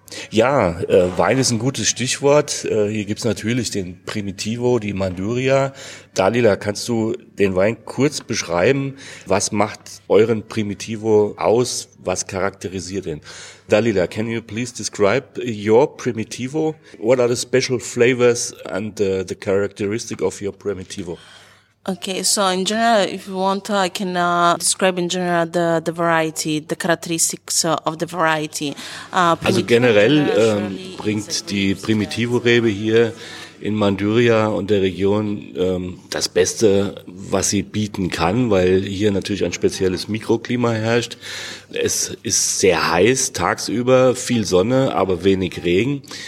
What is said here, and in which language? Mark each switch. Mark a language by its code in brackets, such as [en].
[de] Ja, Wein ist ein gutes Stichwort. Hier gibt's natürlich den Primitivo, die Manduria. Dalila, kannst du den Wein kurz beschreiben? Was macht euren Primitivo aus? Was charakterisiert ihn? [en] Dalila, can you please describe your Primitivo? What are the special flavors and the characteristic of your Primitivo? Okay, so in general, if you want, I can describe in general the variety, the characteristics of the variety. [de] Also generell bringt die Primitivo-Rebe hier in Manduria und der Region das Beste, was sie bieten kann, weil hier natürlich ein spezielles Mikroklima herrscht. Es ist sehr heiß tagsüber, viel Sonne, aber wenig Regen.